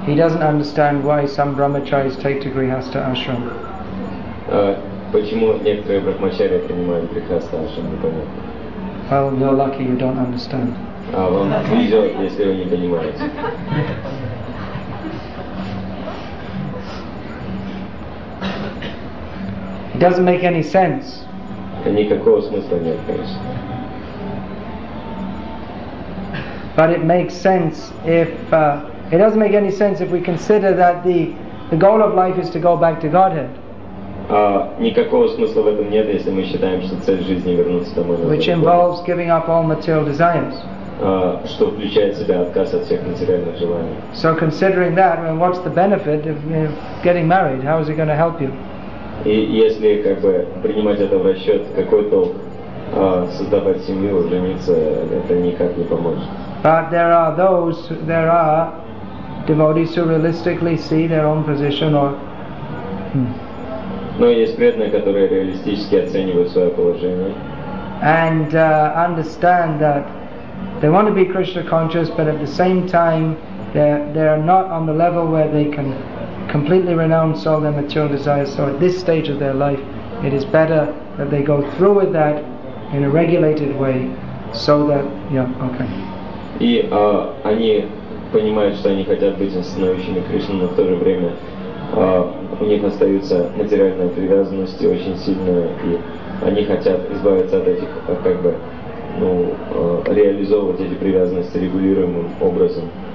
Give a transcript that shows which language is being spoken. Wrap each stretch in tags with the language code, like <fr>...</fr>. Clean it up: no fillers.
<en>He doesn't understand why some brahmacharis take to grihastha ashram.</en> <ru>Почему некоторые брахмачари принимают грихастха ашрам, непонятно.</ru> <en>Well, you're lucky, you don't understand.</en> <ru>А вам везет, если вы не понимаете.</ru> <en>It doesn't make any sense.</en> <ru>Никакого смысла нет, конечно.</ru> <en>But it makes sense if it doesn't make any sense if we consider that the goal of life is to go back to Godhead.</en> <ru>Никакого смысла в этом нет, если мы считаем, что цель жизни вернуться домой.</ru> <en>Which involves giving up all material desires.</en> <ru>Что включает в себя отказ от всех материальных желаний.</ru> <en>So considering that, well, what's the benefit of getting married? How is it going to help you?</en> <ru>И если как бы принимать это в расчет, какой толк создавать семью, жениться, это никак не поможет.</ru> <en>But there are those, there are devotees who realistically see their own position or...</en> <ru>Но есть преданные, которые реалистически оценивают свое положение.</ru> <en>And understand that they want to be Krishna conscious, but at the same time they're not on the level where they can completely renounce all their material desires. So at this stage of their life, it is better that they go through with that in a regulated way, so that, yeah, okay.</en> <ru>И они понимают, что они хотят быть становящими Кришной, но в то же время у них остаются материальные привязанности очень сильные, и они хотят избавиться от этих, как бы, ну, реализовывать эти привязанности регулируемым образом.</ru>